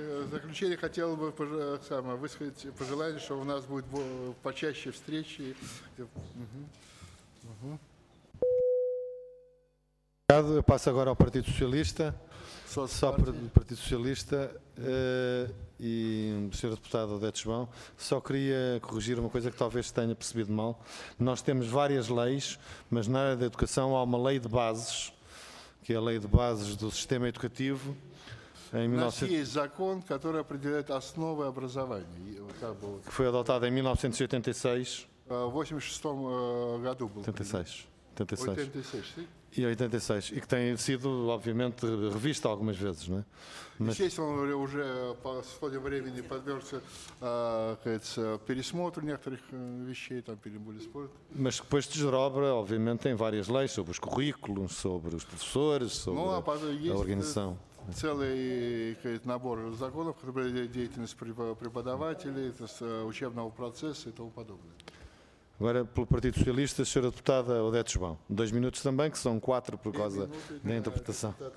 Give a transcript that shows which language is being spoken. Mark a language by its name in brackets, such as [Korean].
[Russian] Заключение хотел бы высказать пожелание, что у нас будет почаще встречи. [Portuguese] Obrigado. Eu passo agora ao Partido Socialista. Só para o Partido Socialista e o Sr. Deputado Odete João, só queria corrigir uma coisa que talvez tenha percebido mal. Nós temos várias leis, mas na área da educação há uma lei de bases, que é a lei de bases do sistema educativo. [Russian] Есть закон, который определяет основы образования. [Portuguese] Que foi adotado em 1986. [Russian] В 86 году был. 86. [Portuguese] И que tem sido, obviamente, revista algumas vezes, né? [Russian] Естественно, уже по ходу времени подвергся, кажется, пересмотру некоторых вещей, там перебули спорт. [Portuguese] Mas depois de Jerobra, obviamente, tem várias leis sobre os currículos, sobre os professores, sobre a organização. [Russian] Целый набор законов, которые деятельность преподавателей, учебного процесса и тому подобное. [Portuguese] Agora, pelo Partido Socialista, senhora deputada Odete João. Dois minutos também, que são quatro por causa da interpretação.